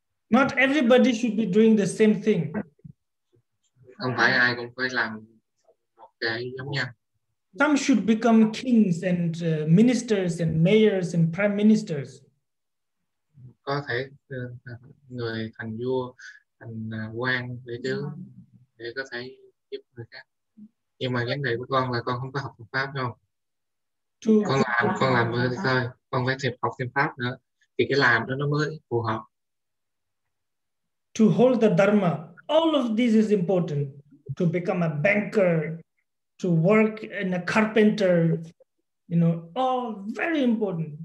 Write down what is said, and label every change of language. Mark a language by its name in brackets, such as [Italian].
[English] Not everybody should be doing the same thing. [Vietnamese] Không phải ai cũng phải làm một cái giống nhau. [English] Some should become kings and ministers and mayors and prime ministers. [Vietnamese] Có thể người thành vua, thành quan để đứng để có thể giúp người khác. Nhưng mà vấn đề của con là con không có học Phật pháp đâu. Con làm thôi, con phải thêm học thêm pháp nữa thì cái làm đó nó mới phù hợp. [English] To hold the dharma, all of this is important. To become a banker, to work in a carpenter, you know, all very important.